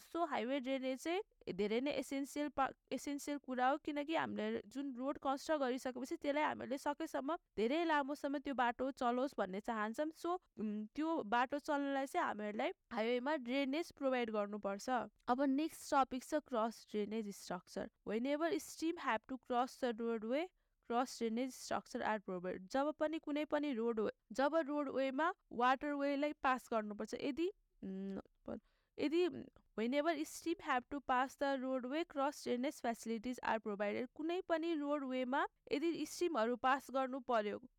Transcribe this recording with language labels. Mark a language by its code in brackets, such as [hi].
[ne] So highway drainage चाहिँ धेरै नै एसेन्सियल कुरा हो, किनकि हामीले जुन रोड कन्स्ट्रक्ट गरिसकेपछि त्यसलाई हामीहरूले सकेसम्म धेरै लामोसम्म त्यो बाटो चलोस् भन्ने चाहन्छौँ। सो त्यो बाटो चल्नलाई चाहिँ हामीहरूलाई हाइवेमा ड्रेनेज प्रोभाइड गर्नुपर्छ। अब नेक्स्ट टपिक छ cross drainage structure. [en] Whenever stream have to cross the roadway, cross drainage structure are provide. [ne] जब पनि कुनै पनि रोडवेमा वाटरवेलाई पास गर्नुपर्छ, यदि [en] Whenever stream have to pass the roadway cross drainage facilities are provided. [ne] कुनै पनि रोडवेमा यदि स्ट्रिमहरू pass गर्नु पर्यो,